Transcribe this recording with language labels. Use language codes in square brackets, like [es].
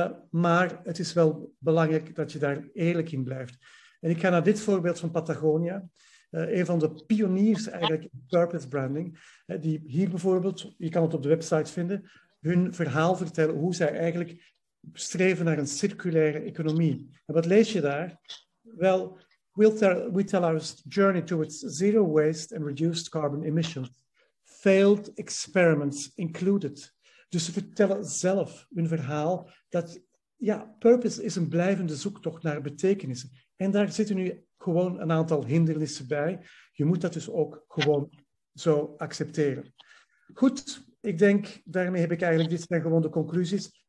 [nl] Maar het is wel belangrijk dat je daar eerlijk in blijft. En ik ga naar dit voorbeeld van Patagonia. Een van de pioniers eigenlijk in purpose branding. Die hier bijvoorbeeld, je kan het op de website vinden, hun verhaal vertellen hoe zij eigenlijk streven naar een circulaire economie. En wat lees je daar? Wel, [en] we tell our journey towards zero waste and reduced carbon emissions. Failed experiments included. [nl] Dus ze vertellen zelf hun verhaal dat, ja, purpose is een blijvende zoektocht naar betekenissen. En daar zitten nu gewoon een aantal hindernissen bij. Je moet dat dus ook gewoon zo accepteren. Goed, ik denk, daarmee heb ik eigenlijk, dit zijn gewoon de conclusies.